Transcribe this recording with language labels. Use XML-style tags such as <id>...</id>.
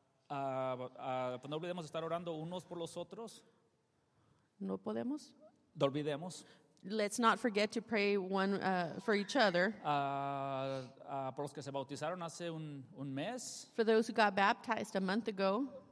<es>No olvidemos estar orando unos por los otros. No podemos. No olvidemos.</es> <en>Let's not forget to pray one for each other.</en> <es>Por los que se bautizaron hace un mes.</es> <en>For those who got baptized a month ago.</en>